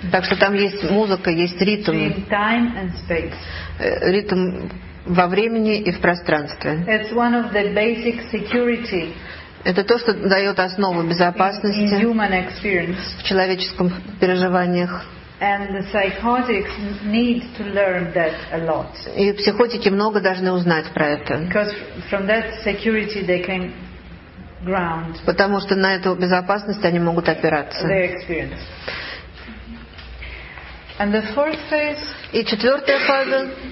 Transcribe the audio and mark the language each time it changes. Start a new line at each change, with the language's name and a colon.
Russian: Так что там есть музыка, есть ритм.
English: Time and space.
Russian: Ритм во времени и в пространстве.
English: It's one of the basic security.
Russian: Это то, что дает основу безопасности
English: in human experience.
Russian: В человеческом переживаниях.
English: And the psychotics need to learn that a lot.
Russian: И психотики много должны узнать про это.
English: Because from that security they can ground.
Russian: Потому что на эту безопасность они могут опираться.
English: Their experience. And the fourth phase.
Russian: И четвертая фаза.